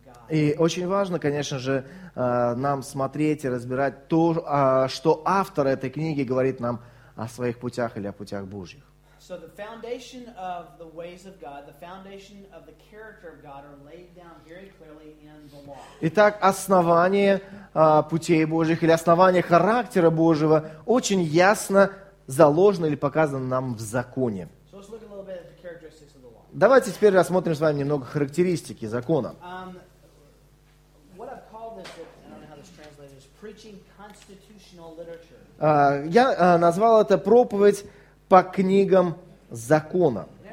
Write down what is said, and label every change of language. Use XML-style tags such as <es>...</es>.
<ru>И очень важно, конечно же, нам смотреть и разбирать то, что автор этой книги говорит нам о своих путях или о путях Божьих.</ru> <en>So the foundation of the ways of God, the foundation of the character of God are laid down very clearly in the law.</en> <ru>Итак, основание путей Божьих или основание характера Божьего очень ясно заложено или показано нам в законе.</ru> <en>So let's look a little bit at the characteristics of the law.</en> <ru>Давайте теперь рассмотрим с вами немного характеристики закона.</ru> <en>What I've called this, I don't know how this translates, is preaching constitutional literature.</en> <ru>Я назвал это проповедь по книгам закона.</ru>